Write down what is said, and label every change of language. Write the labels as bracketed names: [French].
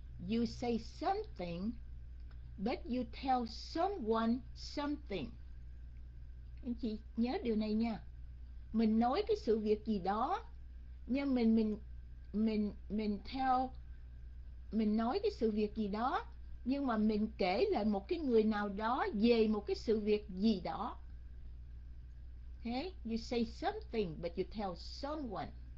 [English] You say something, but you tell someone something. [Vietnamese] Anh chị nhớ điều này nha. Mình nói cái sự việc gì đó, nhưng mình nói cái sự việc gì đó, nhưng mà mình kể lại một cái người nào đó về một cái sự việc gì đó. [English] Okay, you say something but you tell someone.